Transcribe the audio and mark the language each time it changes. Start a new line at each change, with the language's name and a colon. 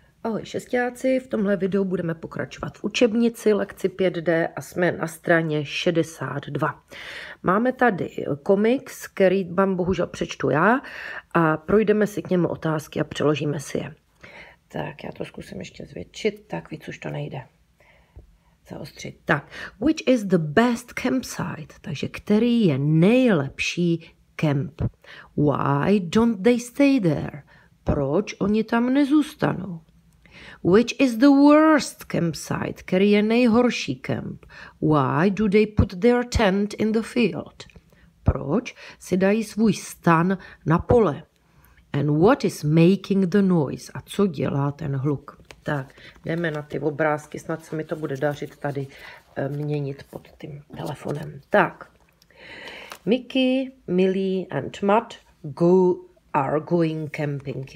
Czech: Ahoj šestiáci, v tomhle videu budeme pokračovat v učebnici lekci 5D a jsme na straně 62. Máme tady komiks, který vám bohužel přečtu já a projdeme si k němu otázky a přeložíme si je. Tak já to zkusím ještě zvětšit, tak víc už to nejde. Zaostřit.
English: Tak, which is the best campsite?
Czech: Takže který je nejlepší kemp?
English: Why don't they stay there?
Czech: Proč oni tam nezůstanou?
English: Which is the worst campsite?
Czech: Který je nejhorší kemp?
English: Why do they put their tent in the field?
Czech: Proč si dají svůj stan na pole?
English: And what is making the noise?
Czech: A co dělá ten hluk? Tak, jdeme na ty obrázky. Snad se mi to bude dařit tady měnit pod tím telefonem.
English: Tak, Mickey, Millie and Matt are going camping.